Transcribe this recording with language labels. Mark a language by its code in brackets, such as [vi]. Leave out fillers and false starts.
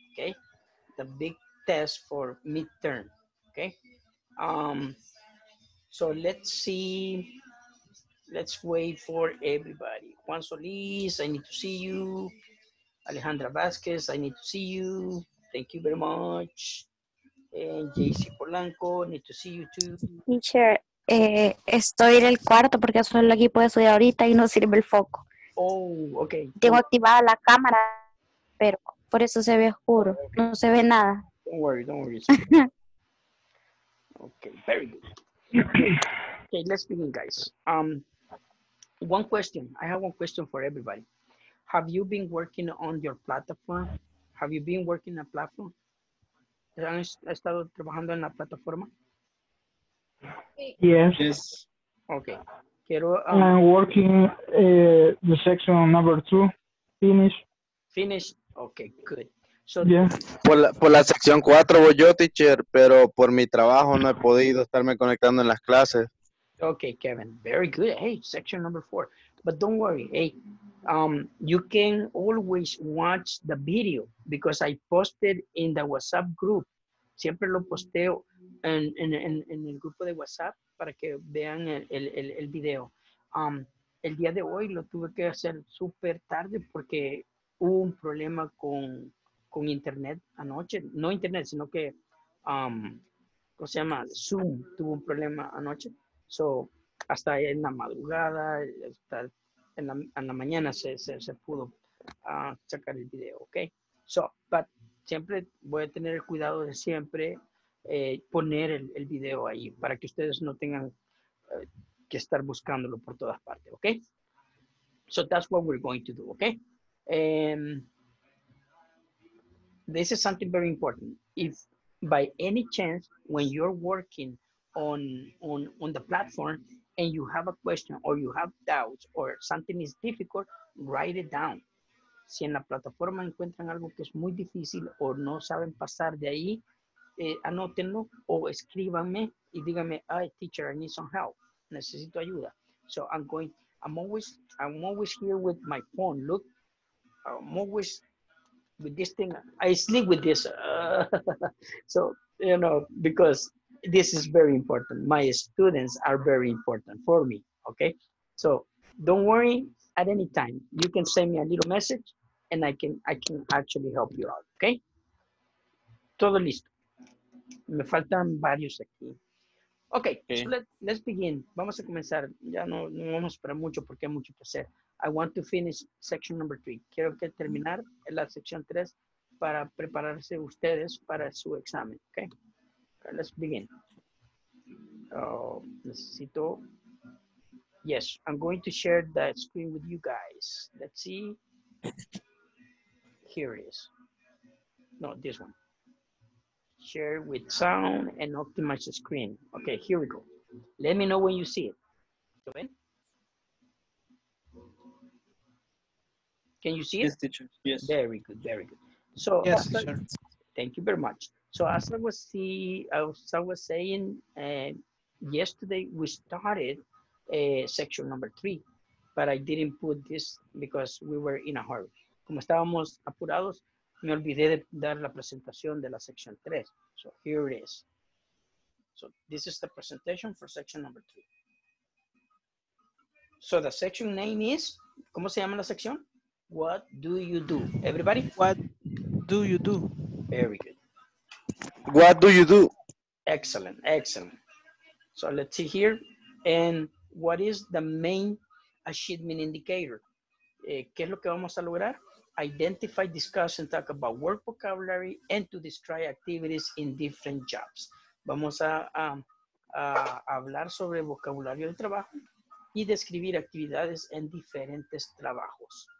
[en] Okay, the big test for midterm. Okay, so let's see. Let's wait for everybody. Juan Solis, I need to see you. Alejandra Vasquez, I need to see you. Thank you very much. And JC Polanco, need to see you too. [es] Teacher, estoy en el cuarto porque solo aquí puedo estudiar ahorita y no sirve el foco. [en] Oh, okay. [es] Tengo activada la cámara, pero por eso se ve oscuro. Okay. No se ve nada. [en] Don't worry, don't worry. Okay, very good. Okay, let's begin, guys. One question. I have one question for everybody. Have you been working on your platform? Have you been working on a platform? [es] ¿Han estado trabajando en la plataforma? [en] Yes. Yes. Okay. I'm working the section number 2. Finish. Finish. Okay, good. So, yeah. [es] Por la sección 4 voy yo, teacher, pero por mi trabajo no he podido estarme conectando en las clases. [en] Okay, Kevin, very good. Hey, section number 4. But don't worry. Hey, you can always watch the video because I posted in the WhatsApp group. [es] Siempre lo posteo en el grupo de WhatsApp para que vean el video. El día de hoy lo tuve que hacer súper tarde porque hubo un problema con internet anoche. No internet, sino que, ¿cómo se llama? Zoom tuvo un problema anoche. So, hasta en la madrugada, hasta en la mañana se pudo sacar el video, okay? So, but siempre voy a tener el cuidado de siempre poner el video ahí para que ustedes no tengan que estar buscándolo por todas partes, okay? [en] So, that's what we're going to do, okay? This is something very important. If by any chance, when you're working on the platform and you have a question or you have doubts or something is difficult, write it down. [es] Si en la plataforma encuentran algo que es muy difícil o no saben pasar de ahí, anótenlo o escríbanme y díganme, hey, teacher, [en] I need some help. [es] Necesito ayuda. [en] So I'm always here with my phone. Look, I'm always with this thing. I sleep with this. So, you know, because this is very important. My students are very important for me, okay? So don't worry, at any time, you can send me a little message and I can actually help you out, okay? [es] Todo listo. Me faltan varios aquí. Okay, [en] so let's begin. [es] Vamos a comenzar. Ya no vamos a esperar mucho porque hay mucho que hacer. [en] I want to finish section number 3. [es] Quiero que terminar en la sección 3 para prepararse ustedes para su examen, okay? [en] Let's begin. [es] Necesito. [en] Yes, I'm going to share that screen with you guys. Let's see. Here it is. No, this one. Share with sound and optimize the screen. Okay, here we go. Let me know when you see it. Go ahead. Can you see it? Yes, teacher. Yes. Very good. Very good. So, yes, teacher. Thank you very much. So as I was saying, yesterday we started section number 3, but I didn't put this because we were in a hurry. [es] Como estábamos apurados, me olvidé de dar la presentación de la sección 3. [en] So here it is. So this is the presentation for section number 3. So the section name is, [es] ¿cómo se llama la sección? [en] What do you do? Everybody? What do you do? Very good. What do you do? Excellent, excellent. So let's see here. And what is the main achievement indicator? [es] ¿Qué es lo que vamos a lograr? [en] Identify, discuss, and talk about work vocabulary and to describe activities in different jobs. [es] Vamos a hablar sobre vocabulario del trabajo y describir actividades en diferentes trabajos.